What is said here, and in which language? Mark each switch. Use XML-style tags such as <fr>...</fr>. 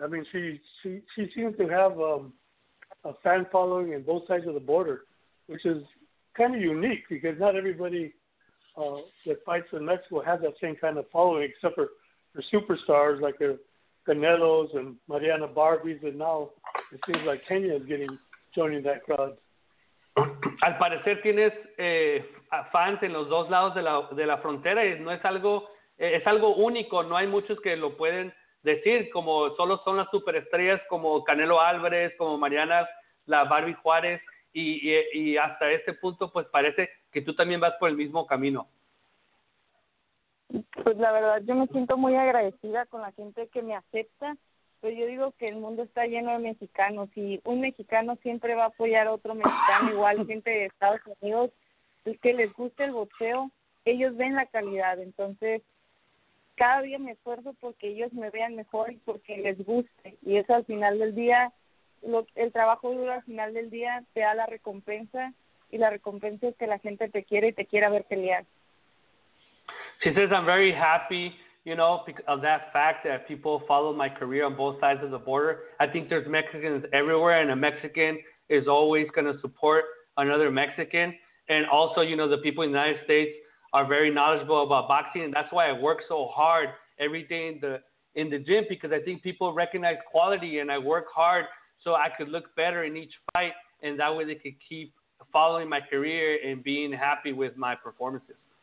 <en>I mean, she seems to have a fan following in both sides of the border, which is kind of unique because not everybody that fights in Mexico has that same kind of following except for superstars like the Canelos and Mariana Barbies, and now it seems like Kenya is joining that crowd.</en> <es>Al parecer tienes fans en los dos lados de la frontera, y no es algo es algo único. No hay muchos que lo pueden decir, como solo son las superestrellas como Canelo Álvarez, como Mariana la Barbie Juárez, y hasta este punto pues parece que tú también vas por el mismo camino. Pues la verdad, yo me siento muy agradecida con la gente que me acepta, pero yo digo que el mundo está lleno de mexicanos y un mexicano siempre va a apoyar a otro mexicano, igual gente de Estados Unidos, que les guste el boxeo, ellos ven la calidad, entonces cada día me esfuerzo porque ellos me vean mejor y porque les guste, y eso al final del día, el trabajo duro al final del día te da la recompensa, y la recompensa es que la gente te quiere y te quiera ver pelear.</es> <en>She says, I'm very happy, you know, of that fact that people follow my career on both sides of the border. I think there's Mexicans everywhere, and a Mexican is always going to support another Mexican. And also, you know, the people in the United States are very knowledgeable about boxing, and that's why I work so hard every day in the gym, because I think people recognize quality, and I work hard so I could look better in each fight, and that way they could keep following my career and being happy with my performances.</en>